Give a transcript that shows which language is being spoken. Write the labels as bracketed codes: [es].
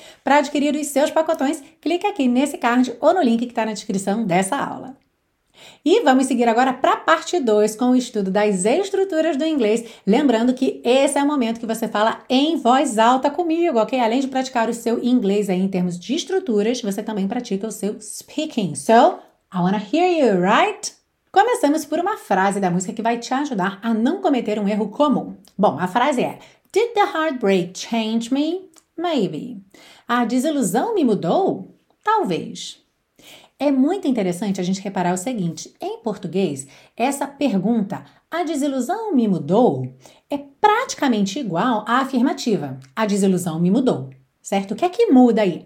[pt] Para adquirir os seus pacotões, clique aqui nesse card ou no link que está na descrição dessa aula. E vamos seguir agora para a parte 2 com o estudo das estruturas do inglês. Lembrando que esse é o momento que você fala em voz alta comigo, ok? Além de praticar o seu inglês aí em termos de estruturas, você também pratica o seu speaking. [en] So, I wanna hear you, right? [pt] Começamos por uma frase da música que vai te ajudar a não cometer um erro comum. Bom, a frase é: [en] Did the heartbreak change me? Maybe. [pt] A desilusão me mudou? Talvez. É muito interessante a gente reparar o seguinte, em português, essa pergunta, a desilusão me mudou, é praticamente igual à afirmativa, a desilusão me mudou, certo? O que é que muda aí?